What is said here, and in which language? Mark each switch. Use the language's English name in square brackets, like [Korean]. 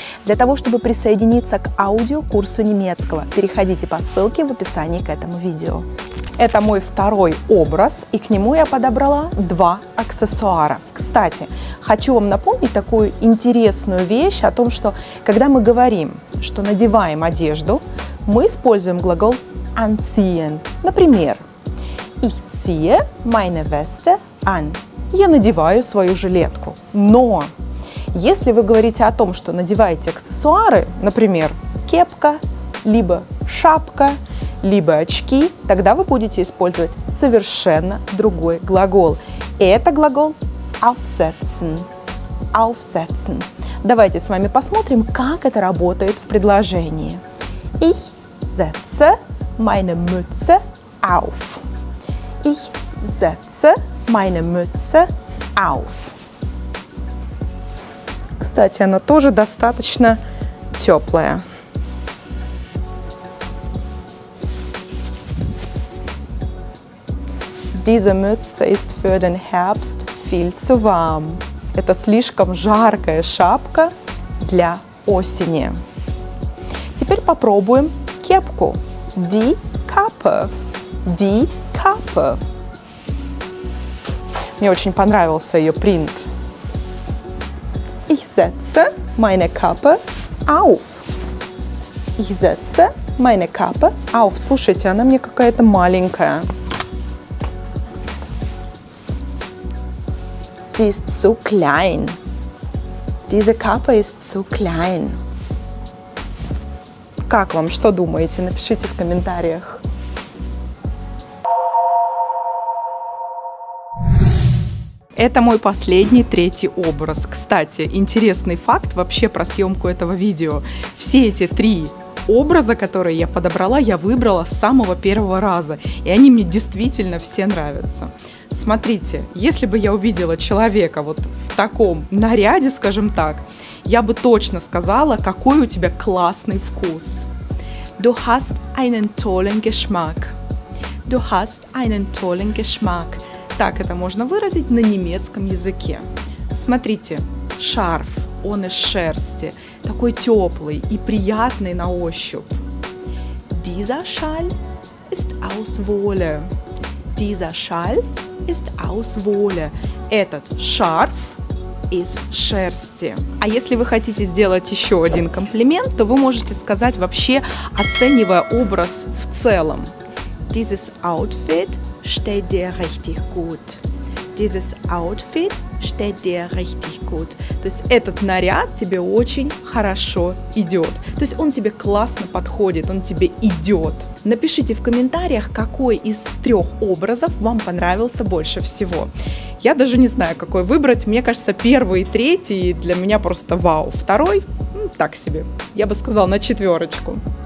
[Russian] Для того, чтобы присоединиться к аудиокурсу немецкого, переходите по ссылке в описании к этому видео. Это мой второй образ, и к нему я подобрала два аксессуара. Кстати, хочу вам напомнить такую интересную вещь о том, что когда мы говорим, что надеваем одежду, мы используем глагол anziehen. Например, [German] ich ziehe meine Weste an. [Russian] Я надеваю свою жилетку. Но если вы говорите о том, что надеваете аксессуары, например, кепка, либо шапка, либо очки, тогда вы будете использовать совершенно другой глагол. Это глагол aufsetzen. [German] Aufsetzen. [Russian] Давайте с вами посмотрим, как это работает в предложении. [German] Ich setze meine Mütze auf. Ich setze meine Mütze auf. [Russian] Кстати, она тоже достаточно теплая. [German] Diese Mütze ist für den Herbst viel zu warm. [Russian] Это слишком жаркая шапка для осени. Теперь попробуем кепку. [German] Die Kappe. Die Kappe. [Russian] Мне очень понравился ее принт. [German] Ich setze meine Kappe auf. Ich setze meine Kappe auf. [Russian] Слушайте, она мне какая-то маленькая. [German] Sie ist zu klein. Diese Kappe ist zu klein. [Russian] Как вам? Что думаете? Напишите в комментариях. Это мой последний, третий образ. Кстати, интересный факт вообще про съемку этого видео. Все эти три образа, которые я подобрала, я выбрала с самого первого раза. И они мне действительно все нравятся. Смотрите, если бы я увидела человека вот в таком наряде, скажем так, я бы точно сказала, какой у тебя классный вкус. [German] Du hast einen tollen Geschmack. Du hast einen tollen Geschmack. [Russian] Так это можно выразить на немецком языке. Смотрите, шарф, он из шерсти, такой теплый и приятный на ощупь. [German] Dieser Schal ist aus Wolle. Dieser Schal ist aus Wolle. [Russian] Этот шарф из шерсти. А если вы хотите сделать еще один комплимент, то вы можете сказать вообще, оценивая образ в целом. [German] Dieses Outfit steht dir richtig gut. Dieses Outfit steht dir richtig gut. [Russian] То есть этот наряд тебе очень хорошо идет. То есть он тебе классно подходит, он тебе идет. Напишите в комментариях, какой из трех образов вам понравился больше всего. Я даже не знаю, какой выбрать. Мне кажется, первый и третий для меня просто вау. Второй, так себе. Я бы сказала, на четверочку.